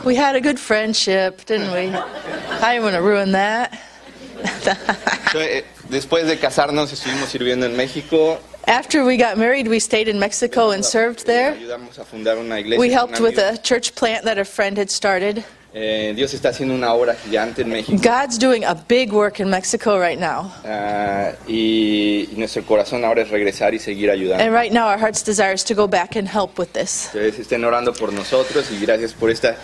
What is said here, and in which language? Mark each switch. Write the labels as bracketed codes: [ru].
[en] We had a good friendship, didn't we? I didn't want to ruin that. [es] Después de casarnos, estuvimos sirviendo en México. [en] After we got married, we stayed in Mexico and served there. [es] Ayudamos a fundar una iglesia. [en] We helped with a church plant that a friend had started. [es] Dios está haciendo una obra gigante en México. [en] God's doing a big work in Mexico right now. [es] Y nuestro corazón ahora es regresar y seguir ayudando. [en] And right now our heart's desire is to go back and help with this. [es] Entonces estén orando por nosotros y gracias por esta.